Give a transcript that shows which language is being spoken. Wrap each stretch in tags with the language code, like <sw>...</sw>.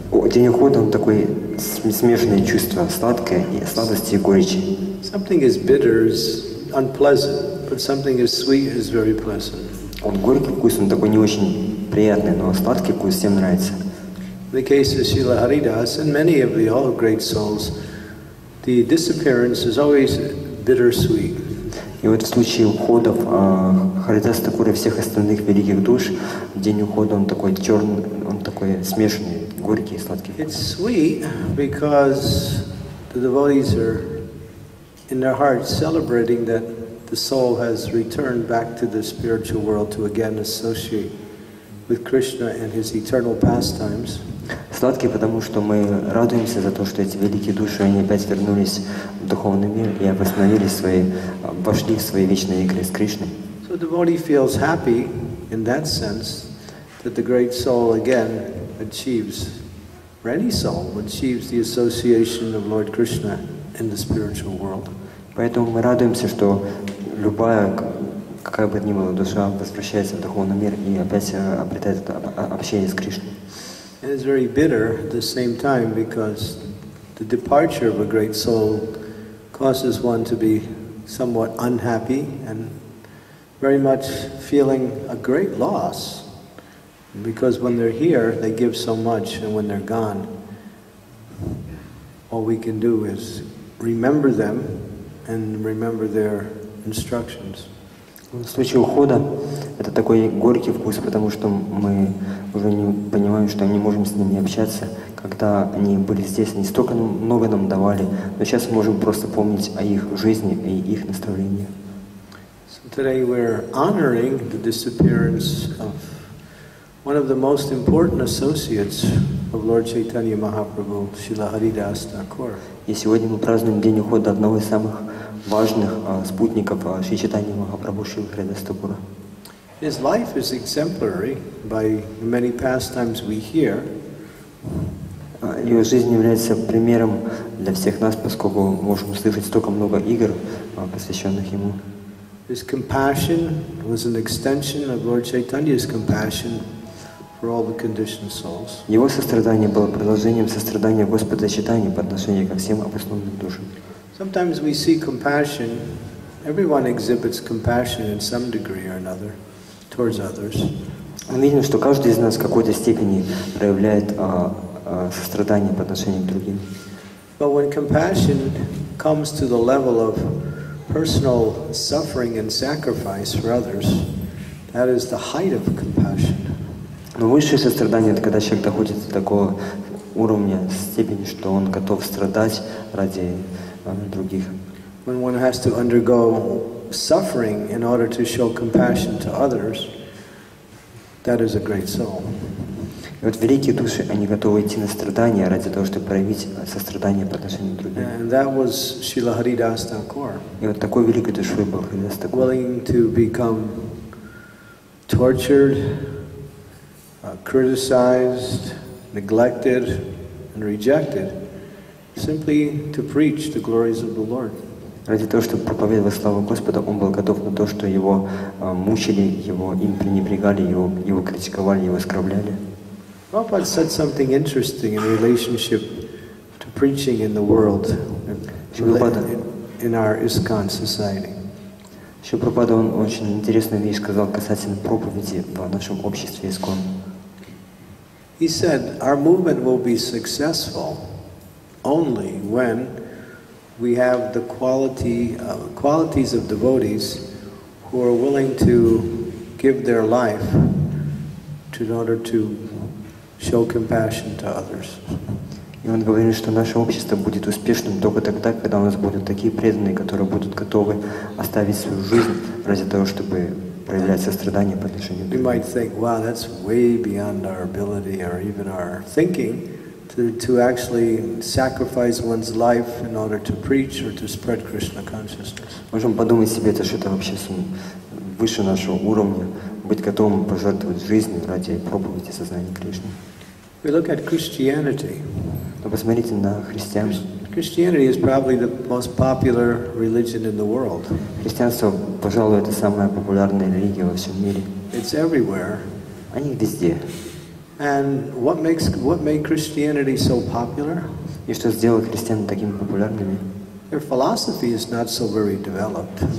<ru>День ухода, он такой смешанное чувство, сладкое, и сладости и горечи.</ru> <en>Something is bitter is unpleasant, but something is sweet is very pleasant.</en> <ru>Он горький вкус, он такой не очень приятный, но сладкий вкус всем нравится.</ru> <en>In the case of Srila Haridas and many of the all great souls, the disappearance is always bittersweet.</en> <ru>И вот в случае уходов Харидас Такура и всех остальных великих душ, день ухода он такой черный, он такой смешанный, горький и сладкий.</ru> <en>It's sweet because the devotees are in their hearts celebrating that the soul has returned back to the spiritual world to again associate with Krishna and his eternal pastimes.</en> <ru>Сладкий, потому что мы радуемся за то, что эти великие души, они опять вернулись в духовный мир и восстановили свои, вошли в свои вечные игры с Кришной.</ru> <en>So devotee feels happy in that sense that the great soul again achieves, or any soul achieves the association of Lord Krishna in the spiritual world.</en> <ru>Поэтому мы радуемся, что любая, какая бы ни была душа, возвращается в духовный мир и опять обретает общение с Кришной.</ru> <en>And it's very bitter at the same time because the departure of a great soul causes one to be somewhat unhappy and very much feeling a great loss. Because when they're here, they give so much, and when they're gone, all we can do is remember them and remember their instructions.</en> <ru>В случае ухода это такой горький вкус, потому что мы уже не понимаем, что не можем с ними общаться. Когда они были здесь, они столько много нам давали, но сейчас мы можем просто помнить о их жизни и их наставлениях.</ru> <en>So today we're honoring the disappearance of one of the most important associates of Lord Chaitanya Mahaprabhu, Srila Haridas Thakur.</en> <ru>И сегодня мы празднуем день ухода одного из самых важных спутников Шри Чайтаньи Махапрабху Шрилы Харидаса Такура.</ru> <en>His life is exemplary by the many pastimes we hear.</en> <ru>Его жизнь является примером для всех нас, поскольку мы можем услышать столько много игр, посвященных ему.</ru> <en>His compassion was an extension of Lord Chaitanya's compassion for all the conditioned souls.</en> <ru>Его сострадание было продолжением сострадания Господа Чайтаньи по отношению ко всем обусловленным душам.</ru> <en>Sometimes we see compassion. Everyone exhibits compassion in some degree or another towards others.</en> <ru>Мы видим, что каждый из нас в какой-то степени проявляет сострадание по отношению к другим.</ru> <en>But when compassion comes to the level of personal suffering and sacrifice for others, that is the height of compassion.</en> <ru>Но высшее сострадание — это когда человек доходит до такого уровня, степени, что он готов страдать ради других.</ru> <en>When one has to undergo suffering in order to show compassion to others, that is a great soul.</en> <ru>И вот великие души, они готовы идти на страдания ради того, чтобы проявить сострадание по отношению к другим.</ru> <en>And that was Srila Haridas Thakur.</en> <ru>И вот такой великой душой был Харидас Такур.</ru> <en>Willing to become tortured, criticized, neglected, and rejected. Simply to preach the glories of the Lord.</en> <ru>Ради того, чтобы проповедовать славу Господа, он был готов на то, что его мучили, его им пренебрегали, его критиковали, его оскорбляли.</ru> <en>Prabhupada said something interesting in relationship to preaching in the world, in our ISKCON society.</en> <ru>Еще Прабхупада он очень интересную вещь сказал касательно проповеди в нашем обществе ISKCON.</ru> <en>He said, "Our movement will be successful only when we have the qualities of devotees who are willing to give their life to, in order to show compassion to others."</en> <ru>И он говорит, что наше общество будет успешным только тогда, когда у нас будут такие преданные, которые будут готовы оставить свою жизнь ради того, чтобы проявлять сострадание по отношению к другим.</ru> <en>We might think, "Wow, that's way beyond our ability or even our thinking." To actually sacrifice one's life in order to preach or to spread Krishna consciousness.</en> <ru>Можем подумать себе, это что-то вообще выше нашего уровня, быть готовым пожертвовать жизнью ради проповеди сознания Кришны.</ru> <en>We look at Christianity.</en> <ru>Посмотрите на христиан.</ru> <en>Christianity is probably the most popular religion in the world.</en> <ru>Христианство, пожалуй, это самая популярная религия во всем мире.</ru> <en>It's everywhere.</en> <ru>Они везде.</ru> <en>And what made Christianity so popular?</en> <ru>И что сделало христиан такими популярными?</ru> <en>Their philosophy is not so very developed.</en>